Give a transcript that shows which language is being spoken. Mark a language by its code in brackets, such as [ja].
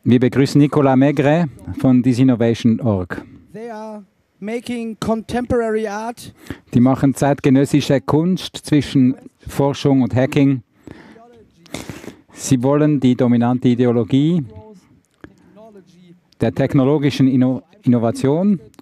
[de] Wir begrüßen Nicolas Maigret von Disinnovation.org. [en] They are making contemporary art. [de] Die machen zeitgenössische Kunst zwischen Forschung und Hacking. Sie wollen die dominante Ideologie der technologischen Innovation.